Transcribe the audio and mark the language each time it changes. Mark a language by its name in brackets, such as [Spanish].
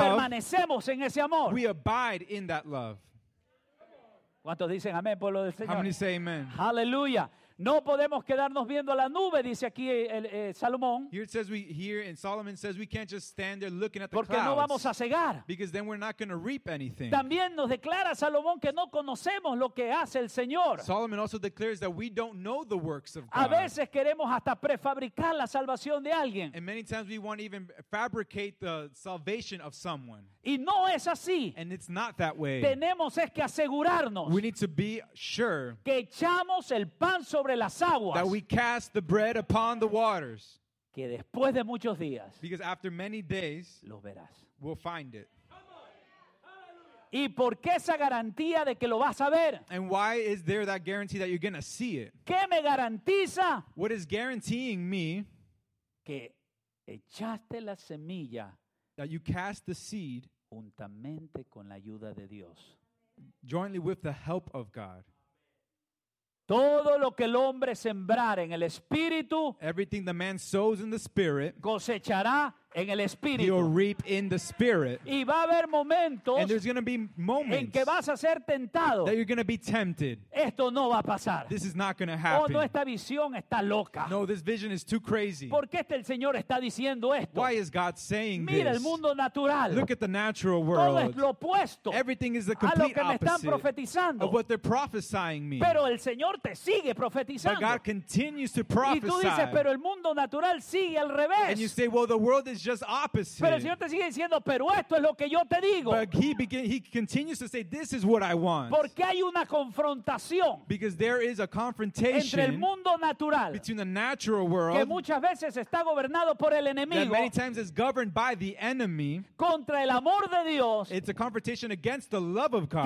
[Spanish] Permanecemos en ese amor. [English] We abide in that love. [Spanish] ¿Cuántos dicen amén pueblo del Señor? [English] How many say amen? Hallelujah. [Spanish] No podemos quedarnos viendo a la nube, dice aquí el Salomón. [English] Here it says we here and Solomon says we can't just stand there looking at the [Spanish] porque [English] clouds. [Spanish] Porque no vamos a cegar. [English] Because then we're not going to reap anything. [Spanish] También nos declara Salomón que no conocemos lo que hace el Señor. [English] Solomon also declares that we don't know the works of God. [Spanish] A veces queremos hasta prefabricar la salvación de alguien. [English] And many times we want to even fabricate the salvation of someone. [Spanish] Y no es así. [English] And it's not that way. [Spanish] Tenemos es que asegurarnos. [English] We need to be sure. [Spanish] Que echamos el pan sobre las aguas. [English] That we cast the bread upon the waters. [Spanish] Que después de muchos días. [English] Because after many days. [Spanish] Lo verás. [English] We'll find it. [Spanish] ¿Y por qué esa garantía de que lo vas a ver? [English] And why is there that guarantee that you're going to see it? [Spanish] ¿Qué me garantiza? [English] What is guaranteeing me? [Spanish] Que echaste la semilla. [English] That you cast the seed [Spanish] juntamente con la ayuda de Dios. [English] Jointly with the help of God. [Spanish] Todo lo que el hombre sembrar en el espíritu, [English] everything the man sows in the spirit, [Spanish] cosechará en el espíritu. [English] He'll reap in the spirit. [Spanish] Y va a haber momentos, [English] and there's going to be moments, [Spanish] en que vas a ser tentado. [English] That you're going to be tempted. [Spanish] Esto no va a pasar. [English] This is not going to happen. [Spanish] Oh, no, esta visión está loca. [English] No, this vision is too crazy. [Spanish] ¿Por qué el Señor está diciendo esto? [English] Why is God saying [Spanish] this? Mira el mundo natural. [English] Look at the natural world. [Spanish] Todo es lo opuesto. [English] Everything is the complete [Spanish] opposite. A lo que me están profetizando. [English] Of what they're prophesying me. [Spanish] Pero el Señor te sigue profetizando. [English] But God continues to prophesy. [Spanish] Y tú dices, pero el mundo natural sigue al revés. [English] And you say, well, the world is just opposite. [Spanish] Pero el Señor te sigue diciendo, pero esto es lo que yo te digo. [English] But he continues to say, this is what I want. [Spanish] Porque hay una confrontación. [English] Because there is a confrontation [Spanish] entre el mundo natural, [English] between the natural world, [Spanish] que muchas veces está gobernado por el enemigo, [English] that many times is governed by the enemy, [Spanish] contra el amor de Dios. [English] It's a confrontation against the love of God,